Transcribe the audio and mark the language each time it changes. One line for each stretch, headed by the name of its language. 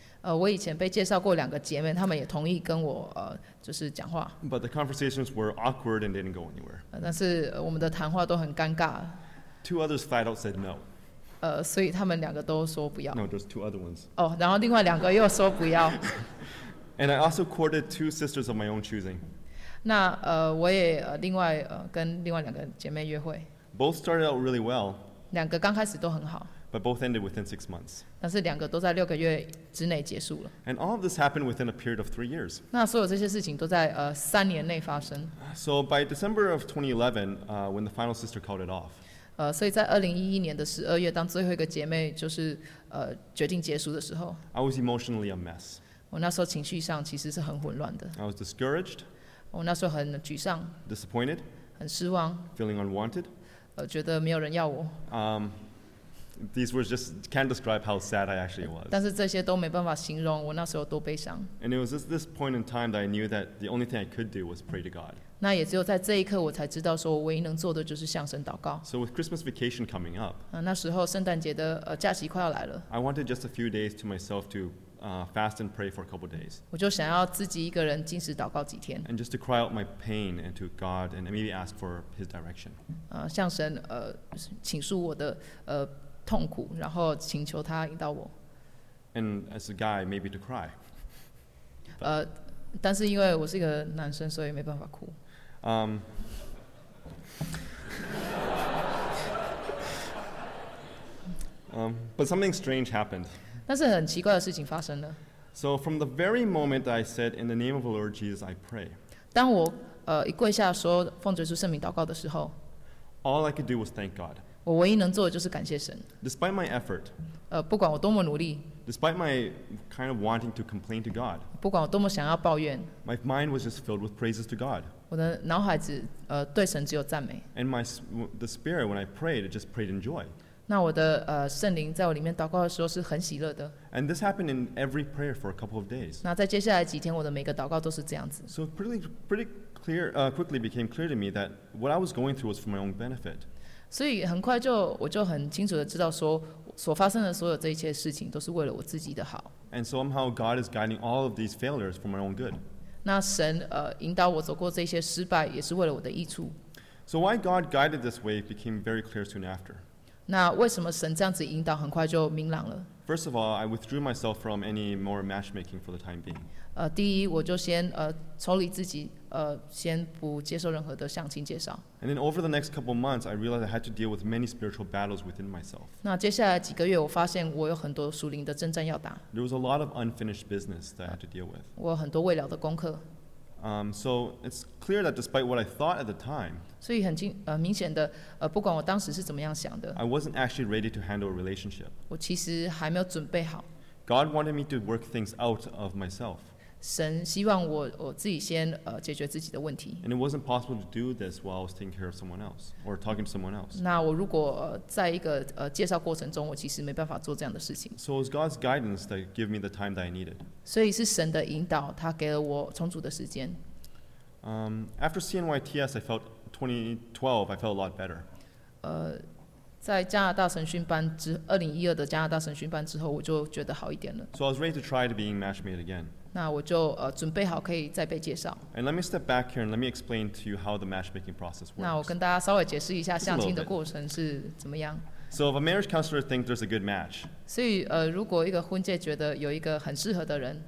Chinese: 我以前被介绍过两个姐妹，她们也同意跟我就是讲话。
English: But the conversations were awkward and didn't go anywhere.
Chinese: 但是我们的谈话都很尴尬。
English: Two others flat out said no.
Chinese: 所以她们两个都说不要。
English: No, there's two other ones.
Chinese: 哦，然后另外两个又说不要。
English: And I also courted two sisters of my own choosing.
Chinese: 那我也另外跟另外两个姐妹约会。
English: Both started out really well.
Chinese: 两个刚开始都很好。
English: But both ended within 6 months.
Chinese: 但是两个都在六个月之内结束了。
English: And all of this happened within a period of 3 years.
Chinese: 那所有这些事情都在三年内发生。
English: So by December of 2011, when the final sister called it off.
Chinese: 所以在2011年的十二月，当最后一个姐妹就是决定结束的时候。
English: I was emotionally a mess.
Chinese: 我那时候情绪上其实是很混乱的。
English: I was discouraged.
Chinese: 我那时候很沮丧。
English: Disappointed.
Chinese: 很失望。
English: Feeling unwanted.
Chinese: 觉得没有人要我。
English: These words just can't describe how sad I actually was.
Chinese: 但是这些都没办法形容我那时候多悲伤。
English: And it was at this point in time that I knew that the only thing I could do was pray to God.
Chinese: 那也只有在这一刻我才知道说我唯一能做的就是向神祷告。
English: So with Christmas vacation coming up,
Chinese: 那时候圣诞节的假期快要来了。
English: I wanted just a few days to myself to fast and pray for a couple days.
Chinese: 我就想要自己一个人禁食祷告几天。
English: And just to cry out my pain and to God and maybe ask for His direction.
Chinese: 向神倾诉我的痛苦，然后请求他引导我。
English: And as a guy, maybe to cry.
Chinese: 但是因为我是一个男生，所以没办法哭。
English: But something strange happened.
Chinese: 但是很奇怪的事情发生了。
English: So from the very moment that I said, "In the name of the Lord Jesus, I pray."
Chinese: 当我一跪下说奉主耶稣圣名祷告的时候
English: ，All I could do was thank God.
Chinese: 我唯一能做的就是感谢神。
English: Despite my effort,
Chinese: 不管我多么努力。
English: Despite my kind of wanting to complain to God,
Chinese: 不管我多么想要抱怨。
English: My mind was just filled with praises to God.
Chinese: 我的脑海只对神只有赞美。
English: And the spirit when I prayed, it just prayed in joy.
Chinese: 那我的圣灵在我里面祷告的时候是很喜乐的。
English: And this happened in every prayer for a couple of days.
Chinese: 那在接下来几天，我的每个祷告都是这样子。
English: So pretty clear, quickly became clear to me that what I was going through was for my own benefit.
Chinese: 所以很快就我就很清楚的知道说所发生的所有这一切事情都是为了我自己的好。
English: And somehow God is guiding all of these failures for my own good.
Chinese: 那神引导我走过这些失败也是为了我的益处。
English: So why God guided this way became very clear soon after.
Chinese: 那为什么神这样子引导很快就明朗了？
English: First of all, I withdrew myself from any more matchmaking for the time being.
Chinese: 第一我就先抽离自己先不接受任何的相亲介绍。
English: And then over the next couple months, I realized I had to deal with many spiritual battles within myself.
Chinese: 那接下来几个月，我发现我有很多属灵的征战要打。
English: There was a lot of unfinished business that I had to deal with.
Chinese: 我有很多未了的功课。
English: So it's clear that despite what I thought at the time,
Chinese: 所以很明显的不管我当时是怎么样想的
English: ，I wasn't actually ready to handle a relationship.
Chinese: 我其实还没有准备好。
English: God wanted me to work things out of myself.
Chinese: 神希望 我自己先解决自己的问题。
English: And it wasn't possible to do this while I was taking care of someone else or talking to someone else.
Chinese: 那我如果在一个介绍过程中，我其实没办法做这样的事情。
English: So it was God's guidance that gave me the time that I needed.
Chinese: 所以是神的引导，他给了我充足的时间。
English: After CNYTS, I felt 2012, I felt a lot better.
Chinese: 在加拿大神训班之2012的加拿大神训班之后，我就觉得好一点了。
English: So I was ready to try to be in matchmade again.
Chinese: 那我就准备好可以再被介绍。
English: And let me step back here and let me explain to you how the matchmaking process works.
Chinese: 那我跟大家稍微解释一下相亲的过程是怎么样。
English: So if a marriage counselor thinks there's a good match,
Chinese: 所以如果一个婚介觉得有一个很适合的人